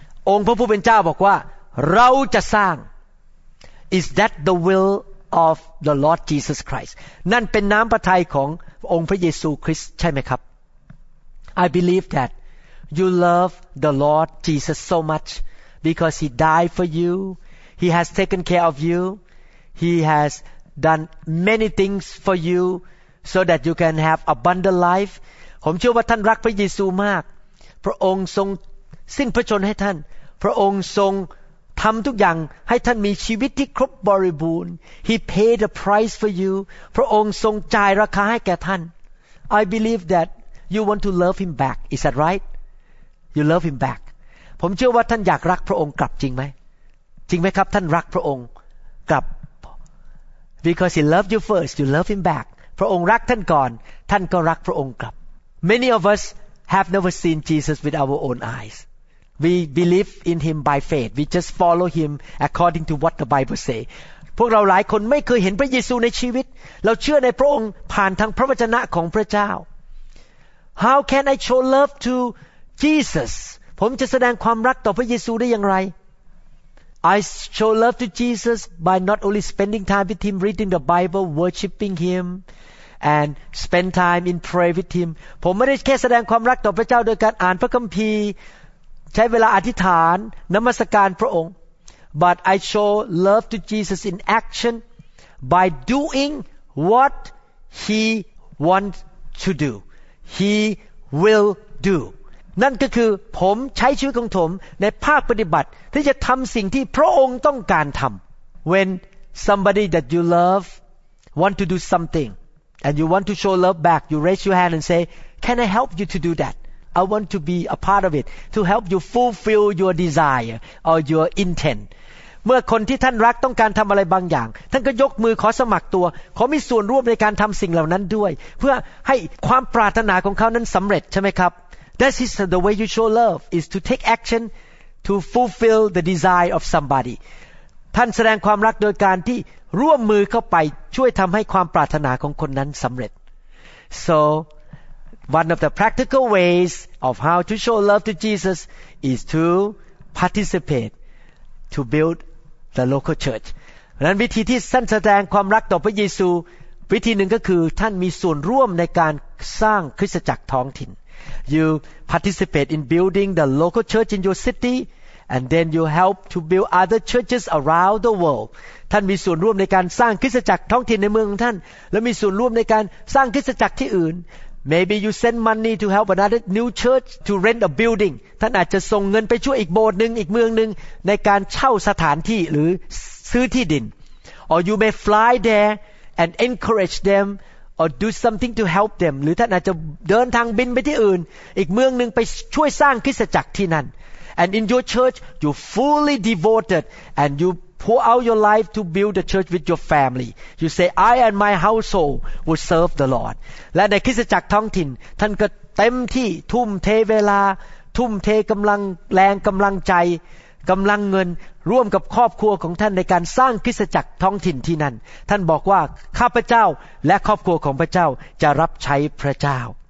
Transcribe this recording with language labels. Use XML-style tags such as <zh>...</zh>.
<th>องค์พระผู้เป็นเจ้าบอกว่าเราจะสร้าง</th> <en>Is that the will of the Lord Jesus Christ</en> <th>นั่นเป็นน้ำพระทัยขององค์พระเยซูคริสต์ใช่ไหมครับ</th> <en>I believe thatYou love the Lord Jesus so much because He died for you. He has taken care of you. He has done many things for you so that you can have abundant life.</en> <th>ผมเชื่อว่าท่านรักพระเยซูมากพระองค์ทรงสิ้นพระชนให้ท่านพระองค์ทรงทำทุกอย่างให้ท่านมีชีวิตที่ครบบริบูรณ์</th> <en>He paid a price for you.</en> <th>พระองค์ทรงจ่ายราคาให้แก่ท่าน</th> <en>I believe that you want to love Him back. Is that right? You love him back.</en> <th>ผมเชื่อว่าท่านอยากรักพระองค์กลับจริงไหมจริงไหมครับท่านรักพระองค์กลับ</th> <en>Because he loved you first, you love him back.</en> <th>พระองค์รักท่านก่อนท่านก็รักพระองค์กลับ</th> <en>Many of us have never seen Jesus with our own eyes. We believe in him by faith. We just follow him according to what the Bible say.</en> <th>พวกเราหลายคนไม่เคยเห็นพระเยซูในชีวิตเราเชื่อในพระองค์ผ่านทางพระวจนะของพระเจ้า</th> <en>How can I show love toJesus,</en> <th>ผมจะแสดงความรักต่อพระเยซูได้อย่างไร</th> <en>I show love to Jesus by not only spending time with him, reading the Bible, worshiping him, and spend time in prayer with him.</en> <th>ผมไม่ได้แค่แสดงความรักต่อพระเจ้าโดยการอ่านพระคัมภีร์ใช้เวลาอธิษฐานนมัสการพระองค์</th> <en>But I show love to Jesus in action by doing what he wants to do. He will do.</en> <th>นั่นก็คือผมใช้ชีวิตของผมในภาคปฏิบัติที่จะทำสิ่งที่พระองค์ต้องการทำ</th> <en>When somebody that you love want to do something and you want to show love back you raise your hand and say Can I help you to do that? I want to be a part of it to help you fulfill your desire or your intent.</en> <th>เมื่อคนที่ท่านรักต้องการทำอะไรบางอย่างท่านก็ยกมือขอสมัครตัวขอมีส่วนร่วมในการทำสิ่งเหล่านั้นด้วยเพื่อให้ความปรารถนาของเขานั้นสำเร็จใช่ไหมครับ</th> <en>That is the way you show love is to take action to fulfill the desire of somebody.</en> <th>ท่านแสดงความรักโดยการที่ร่วมมือเข้าไปช่วยทำให้ความปรารถนาของคนนั้นสำเร็จ</th> <en>So one of the practical ways of how to show love to Jesus is to participate to build the local church.</en> <th>นั้นวิธีที่ท่านแสดงความรักต่อพระเยซูวิธีหนึ่งก็คือท่านมีส่วนร่วมในการสร้างคริสตจักรท้องถิ่น</th> <en>You participate in building the local church in your city and then you help to build other churches around the world.</en> <th>ท่านมีส่วนร่วมในการสร้างคริสตจักรท้องถิ่นในเมืองของท่านและมีส่วนร่วมในการสร้างคริสตจักรที่อื่น</th> <en>Maybe you send money to help another new church to rent a building.</en> <th>ท่านอาจจะส่งเงินไปช่วยอีกโบสถ์นึงอีกเมืองนึงในการเช่าสถานที่หรือซื้อที่ดิน</th> <en>Or you may fly there and encourage them. Or do something to help them.</en> <th>หรือท่านอาจจะเดินทางบินไปที่อื่นอีกเมืองนึงไปช่วยสร้างคริสตจักรที่นั่น</th> <en>And in your church, you fully devoted and you pour out your life to build the church with your family. You say, I and my household will serve the Lord.</en> <th>และในคริสตจักรท้องถิ่นท่านก็เต็มที่ทุ่มเทเวลาทุ่มเทกำลังแรงกำลังใจกำลังเงินร่วมกับครอบครัวของท่านในการสร้างคริสตจักรท้องถิ่นที่นั่นท่านบอกว่าข้าพเจ้าและครอบครัวของพระเจ้าจะรับใช้พระเจ้า</th>